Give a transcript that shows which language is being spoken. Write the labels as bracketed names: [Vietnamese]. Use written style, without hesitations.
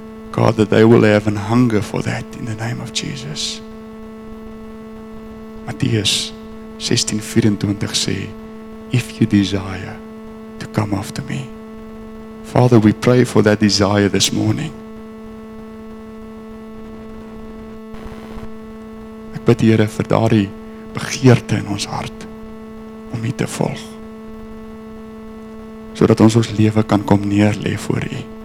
[English] God, that they will have an hunger for that in the name of Jesus. [Afrikaans] Matteus 16:24 sê, [English] if you desire to come after me. Father, we pray for that desire this morning. [Afrikaans] Ek bid Here vir daardie begeerte in ons hart om U te volg. Sodat ons ons lewe kan kom neerlê voor U.